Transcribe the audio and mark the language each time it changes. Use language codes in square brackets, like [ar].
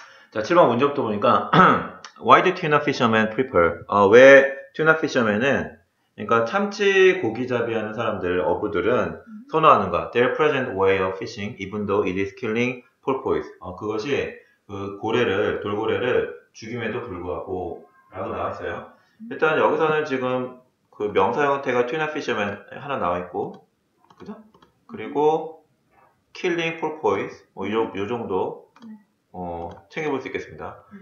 [ko] 자, 7번 문제부터 보니까 [en] Why do tuna fishermen prefer? [ko] 왜 tuna fishermen은 그러니까 참치 고기잡이 하는 사람들, 어부들은 선호하는가? [en] Their present way of fishing, even though it is killing porpoise. [ko] 그것이 그 고래를, 돌고래를 죽임에도 불구하고 라고 나왔어요. 일단 여기서는 지금 그 명사 형태가 tuna fishermen 하나 나와있고 그죠? 그리고 killing porpoise 뭐 요 정도 챙겨볼 수 있겠습니다.